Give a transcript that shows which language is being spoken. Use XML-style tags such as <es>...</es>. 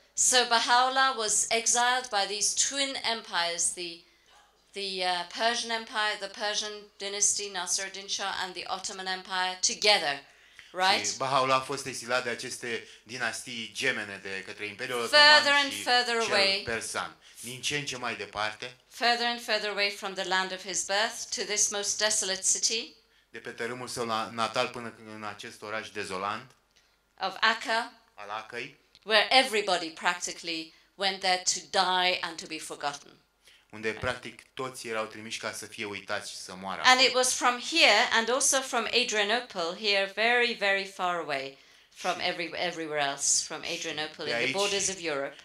<en>So Baha'u'llah was exiled by these twin empires, the Persian Empire, the Persian dynasty, Nasiruddin Shah, and the Ottoman Empire together, right?</en> <ro>Și Baha'u'llah a fost exilat de aceste dinastii gemene de către Imperiul Otoman</ro> <en>further</en> <ro>și</ro> <en>and further</en> <ro>cel</ro> <en>away,</en> <ro>persan, din ce în ce mai departe.</ro> <en>Further and further away from the land of his birth to this most desolate city.</en> <ro>De pe tărâmul său natal până în acest oraș dezolant.</ro> <en>Of Acre.</en> <ro>Al Acrei.</ro> <en>Where everybody practically went there to die and to be forgotten.</en> <ro>Unde practic toți erau trimiși ca să fie uitați și să moară.</ro> <en>And it was from here and also from Adrianople, here very, very far away from everywhere else, from Adrianople in the borders of Europe.</en>